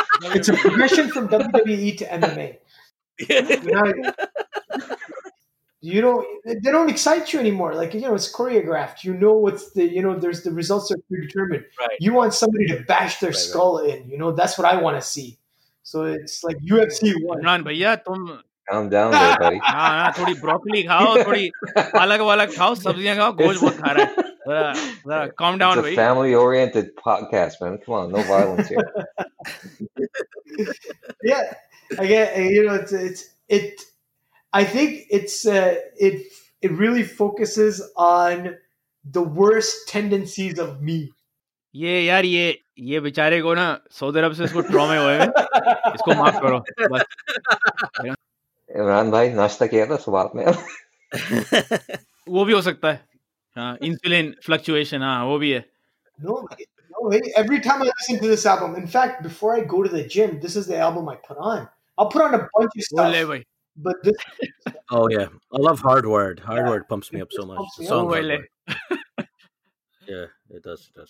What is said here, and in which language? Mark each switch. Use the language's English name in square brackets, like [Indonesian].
[English] It's a progression from WWE to MMA. They don't excite you anymore. Like, you know, it's choreographed. You know what's the, you know, there's the results are predetermined. Right. You want somebody to bash their skull in, you know, that's what I want to see. So it's like UFC 1. Run, but yeah, calm down there, buddy. [Hindi] हाँ, थोड़ी broccoli खाओ, थोड़ी अलग अलग खाओ, सब्ज़ियाँ खाओ, गोश बहुत खा रहा है। [English] Calm down, buddy. It's a family-oriented podcast, man. Come on, no violence here. Yeah. I get, you know, I think it really focuses on the worst tendencies of me. [Hindi] हाँ, यार, ये बिचारे को ना सऊदी अरब से इसको ट्रॉमा हुआ है। इसको माफ़ करो। Imran bhai nashta kiya tha subah mein. वो भी हो सकता है। हाँ, [English] insulin fluctuation, [Hindi] हाँ, वो भी है। [English] No, every time I listen to this album, in fact, before I go to the gym, this is the album I put on. I'll put on a bunch of stuff. But this, oh yeah, I love Hardwired. Hardwired pumps me up so much. The song Hardwired. Yeah, it does.